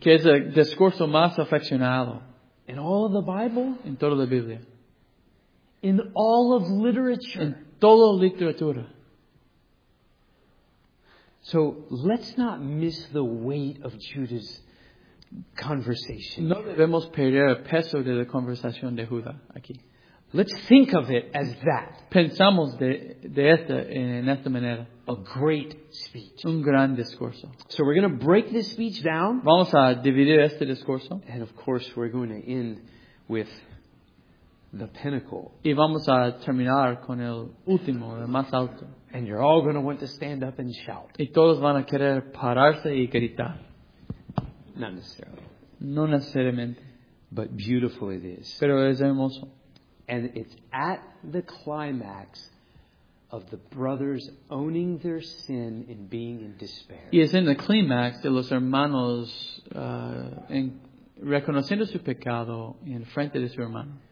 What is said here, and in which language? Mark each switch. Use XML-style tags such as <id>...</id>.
<es>Que es el discurso más afeccionado.</es> <en>In all of the Bible.</en> <es>En toda la Biblia.</es> <en>In all of literature.</en> <es>En toda literatura.</es> <en>So let's not miss the weight of Judah's conversation.</en> <es>No debemos perder el peso de la conversación de Judá aquí.</es> <en>Let's think of it as that.</en> <es>Pensamos de esta en esta manera.</es> <en>A great speech.</en> <es>Un gran discurso.</es> <en>So we're going to break this speech down.</en> <es>Vamos a dividir este discurso.</es> <en>And of course we're going to end with the pinnacle.</en> <es>Y vamos a terminar con el último, el más alto.</es> <en>And you're all going to want to stand up and shout.</en> <es>Y todos van a querer pararse y gritar.</es> <en>Not necessarily.</en> <es>No necesariamente.</es> <en>But beautiful it is.</en> <es>Pero es hermoso.</es> <en>And it's at the climax of the brothers owning their sin and being in despair.</en> <es>Y es en el clímax de los hermanos reconociendo su pecado en frente de su hermano.</es>